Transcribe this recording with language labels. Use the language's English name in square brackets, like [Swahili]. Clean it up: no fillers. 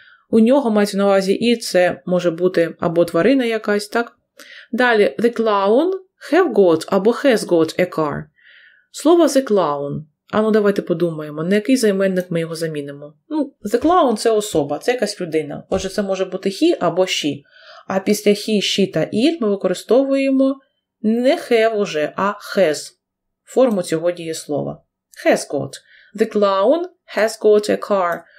[Ukrainian] У нього мається на увазі і це може бути або тварина якась, так? Далі. [English] The clown have got або has got a car. [Ukrainian] Слово the clown. Ану, давайте подумаємо, на який займенник ми його замінимо. Ну, the clown – це особа, це якась людина. Отже, це може бути he або she. А після he, she та it ми використовуємо не have уже, а has. Форму цього дієслова. [English] Has got. The clown has got a car.